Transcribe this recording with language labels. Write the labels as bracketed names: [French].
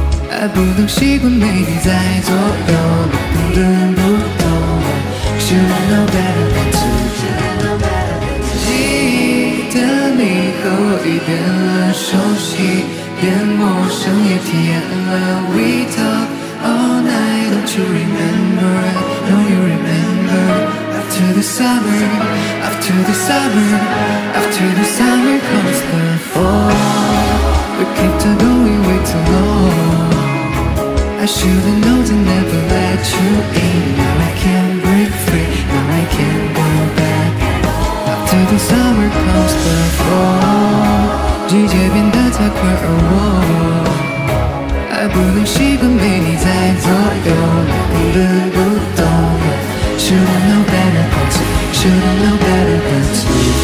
[Chinese] 还不能习惯没你在左右，懂的人不懂。 [English] Should I know better than to [Chinese] 记得你和我已变了熟悉，变陌生也体验了 [English] We talk all night, don't you remember? No you remember. After the summer, after the summer, after the summer comes the fall. We kept on going way too long. I should've known to never let you in. Now I can't break free, now I can't go back. After the summer comes the fall. [Chinese] 季节变得太快而我还不能习惯没你在左右，懂得不懂。 [English] Should I know better than to Should I know better than to